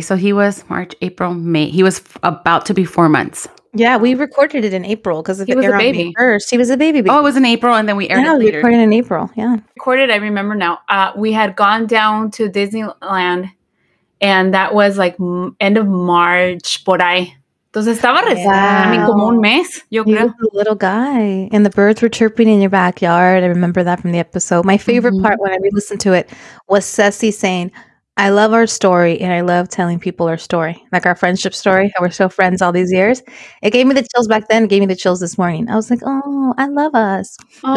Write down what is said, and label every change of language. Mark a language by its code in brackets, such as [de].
[en] So he was March, April, May. He was about to be 4 months. Yeah, we recorded it in April because of the air on May 1st. He was a baby. Oh, it was in April and then we aired it later. Yeah, we recorded in April, yeah. Recorded, I remember now. We had gone down to Disneyland and that was like end of March, [es] por ahí. Entonces estaba como un mes, yo creo. [en] He was a little guy and the birds were chirping in your backyard. I remember that from the episode. My favorite part when I re-listened to it was Ceci saying, I love our story and I love telling people our story, like our friendship story, how we're still friends all these years. It gave me the chills back then, gave me the chills this morning. I was like, oh, I love us. Aww.